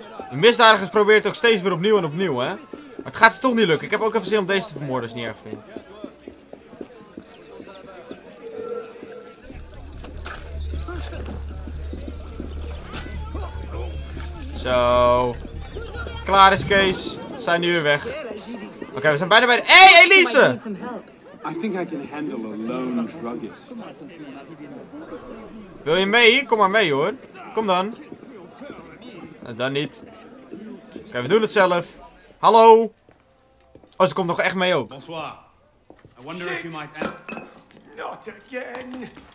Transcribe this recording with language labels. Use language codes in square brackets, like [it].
[nl] De misdadigers probeert ook steeds weer opnieuw en opnieuw, hè. Maar het gaat ze toch niet lukken. Ik heb ook even zin om deze te vermoorden, als je het niet erg vindt. Zo. Klaar is Kees. We zijn nu weer weg. Oké, okay, we zijn bijna bij de... Hé, hey, Elise! [en] I think I can handle a lone druggist. [nl] Wil je mee? Kom maar mee hoor. Kom dan. Dan niet. Oké, okay, we doen het zelf. Hallo. Oh, ze komt nog echt mee ook. [en] Bonsoir. I wonder if you might not again.